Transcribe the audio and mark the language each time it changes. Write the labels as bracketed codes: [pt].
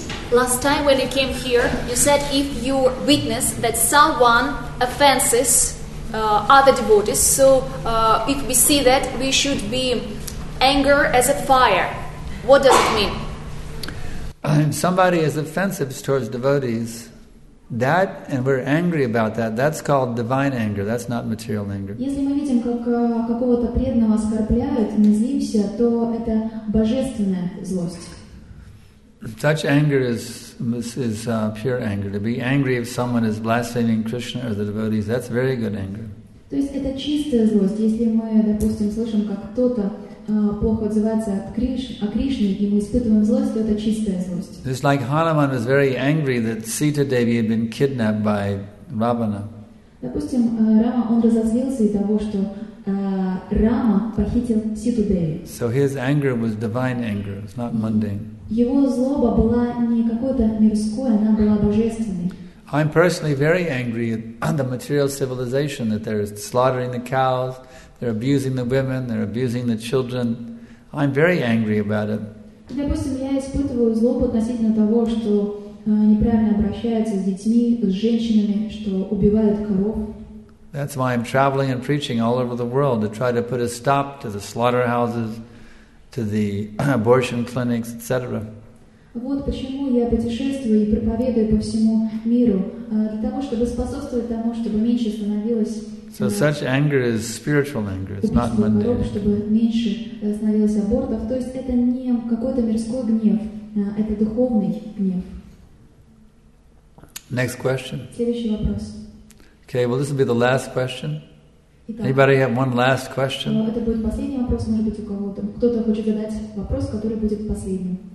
[en] Last time when you came here, you said if you witness that someone offenses other devotees, so if we see that, we should be anger as a fire. What does it mean? If somebody is offensive towards devotees, that, and we're angry about that, that's called divine anger, that's not material anger. [ru] Если мы видим, как какого-то преданного оскорбляют, мы злимся, то это божественная злость. [en] Such anger is pure anger. To be angry if someone is blaspheming Krishna or the devotees, that's very good anger. [ru] То есть это чистая злость. Если мы, допустим, слышим, как кто-то плохо отзывается о Кришне, и мы испытываем злость, то это чистая злость. [en] It's like Hanuman was very angry that Sita Devi had been kidnapped by Ravana. [ru] Допустим, Рама, он разозлился из-за того, что Rama похитил Ситу Деви. [en] So his anger was divine anger, it's not mundane. [ru] Его злоба была не какое-то мирское, она была божественной. [en] I'm personally very angry at the material civilization that they're slaughtering the cows, they're abusing the women, they're abusing the children. I'm very angry about it. [ru] Допустим, я испытываю злобу относительно того, что неправильно обращаются с детьми, с женщинами, что убивают коров. [en] That's why I'm traveling and preaching all over the world to try to put a stop to the slaughterhouses, to the abortion clinics, etc. [ru] Вот почему я путешествую и проповедую по всему миру, для того, чтобы способствовать тому, чтобы меньше становилось... [en] So such anger is spiritual anger, it's not mundane. [ru] ...чтобы меньше становилось абортов. То есть это не какой-то мирской гнев, это духовный гнев. [en] Next question. [ru] Следующий вопрос. [en] Okay, well, this will be the last question. [ru] Итак, [en] anybody have one last question? [ru] Это будет последний вопрос, может быть, у кого-то. Кто-то хочет задать вопрос, который будет последним.